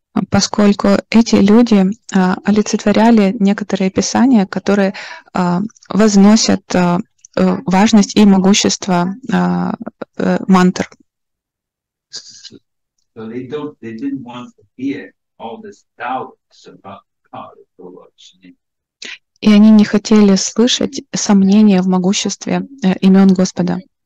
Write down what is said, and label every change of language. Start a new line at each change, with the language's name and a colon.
Russian: Поскольку эти люди олицетворяли некоторые писания, которые возносят важность и могущество мантр.
English: So they didn't want to hear all this doubts about power of the Lord's name.
Russian: И они не хотели слышать сомнения в могуществе имен Господа.